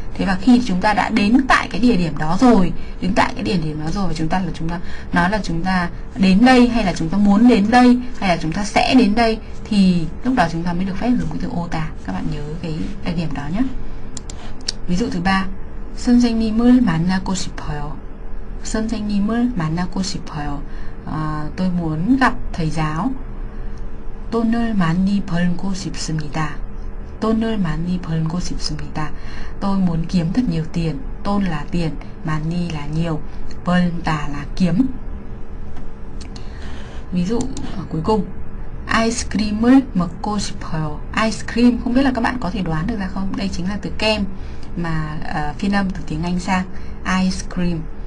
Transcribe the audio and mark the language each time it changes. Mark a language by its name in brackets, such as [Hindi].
[Vietnamese] Thế và khi chúng ta đã đến tại cái địa điểm đó rồi, đứng tại cái địa điểm đó rồi, và chúng ta nói là chúng ta đến đây hay là chúng ta muốn đến đây hay là chúng ta sẽ đến đây, thì lúc đó chúng ta mới được phép dùng cái từ ota. Các bạn nhớ cái địa điểm đó nhé. Ví dụ thứ ba, [Korean] 선생님을 만나고 싶어요. 선생님을 만나고 싶어요. [Vietnamese] Tôi muốn gặp thầy giáo. [Korean] 돈을 많이 벌고 싶습니다. 돈을 많이 벌고 싶습니다. [Vietnamese] Tôi muốn kiếm thật nhiều tiền. 돈 là tiền, 많이 là nhiều, 벌다 là kiếm. Ví dụ cuối cùng, [Korean] 아이스크림을 먹고 싶어요. [Vietnamese] Ice cream, không biết là các bạn có thể đoán được ra không? Đây chính là từ kem mà phiên âm từ tiếng Anh sang ice cream.